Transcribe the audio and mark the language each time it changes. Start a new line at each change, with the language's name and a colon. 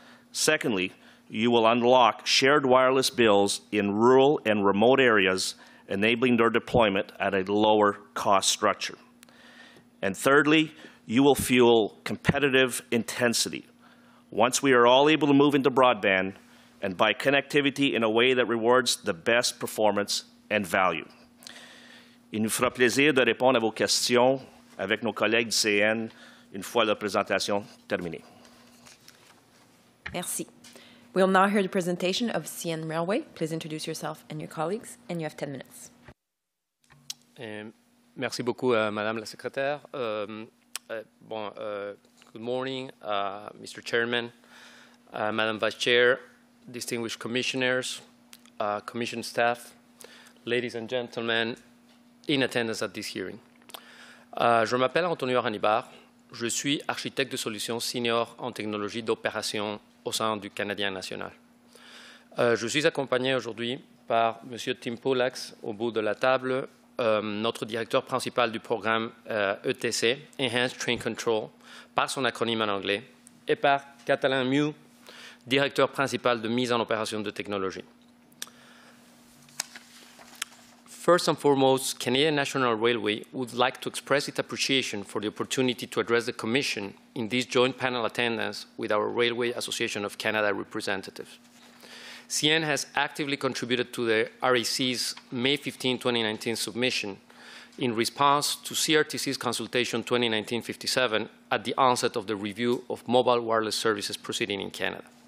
English: Secondly, you will unlock shared wireless bills in rural and remote areas, enabling their deployment at a lower cost structure. And thirdly, you will fuel competitive intensity. Once we are all able to move into broadband and buy connectivity in a way that rewards the best performance and value.
French: Il nous fera plaisir de répondre à vos questions avec nos collègues du CN une fois la présentation terminée. Merci.
English: We will now hear the presentation of CN Railway. Please introduce yourself and your colleagues, and you have 10 minutes.
French: Merci beaucoup, Madame la Secrétaire.
English: Good morning, Mr. Chairman, Madame Vice Chair, distinguished commissioners, commission staff, ladies and gentlemen in attendance at this hearing.
French: Je m'appelle Antonio Aranibar. Je suis architecte de solutions senior en technologie d'opération au sein du Canadien national. Je suis accompagné aujourd'hui par M. Tim Pollack, au bout de la table, notre directeur principal du programme ETC, Enhanced Train Control, par son acronyme en anglais, et par Catalin Mew, directeur principal de mise en opération de technologie.
English: First and foremost, Canadian National Railway would like to express its appreciation for the opportunity to address the Commission in this joint panel attendance with our Railway Association of Canada representatives. CN has actively contributed to the REC's May 15, 2019 submission in response to CRTC's consultation 2019-57 at the onset of the review of mobile wireless services proceeding in Canada.